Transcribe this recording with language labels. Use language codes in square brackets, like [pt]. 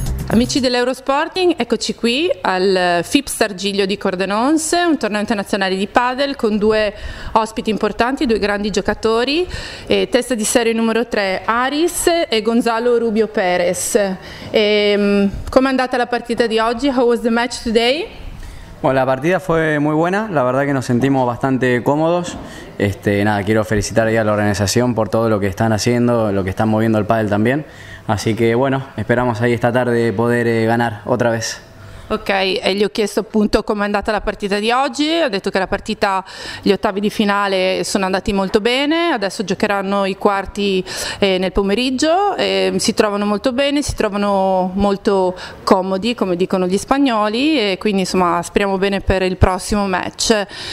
[it] Amici dell'Eurosporting, eccoci qui al FIPS Argiglio di Cordenonse, un torneo internazionale di padel con due ospiti importanti, due grandi giocatori, e testa di serie numero 3 Aris e Gonzalo Rubio Perez. Come è andata la partita di oggi? [en] How was the match today? [es] Bueno, [it] la partita [es] fue muy buena, la verdad que nos sentimos bastante cómodos. Nada, quiero felicitar ahí a la organización por todo lo que están haciendo, lo que están moviendo el pádel también. Así que bueno, esperamos ahí esta tarde poder ganar otra vez. [it] Ok, e gli ho chiesto appunto com'è andata la partita di oggi, ha detto che la partita, gli ottavi di finale sono andati molto bene, adesso giocheranno i quarti nel pomeriggio, si trovano molto bene, si trovano molto comodi come dicono gli spagnoli e quindi insomma speriamo bene per il prossimo match.